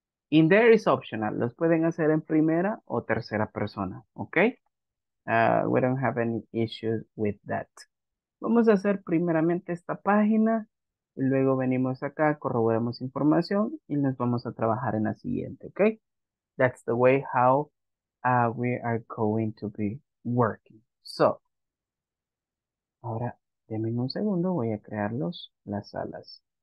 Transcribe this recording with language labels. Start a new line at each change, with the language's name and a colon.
Spanish: In there is optional. Los pueden hacer en primera o tercera persona, ¿ok? We don't have any issues with that. Vamos a hacer primeramente esta página, y luego venimos acá, corroboramos información y nos vamos a trabajar en la siguiente, ¿ok?
English: That's the way how we are going to be working.
Spanish: So, ahora, denme un segundo, voy a crear las salas.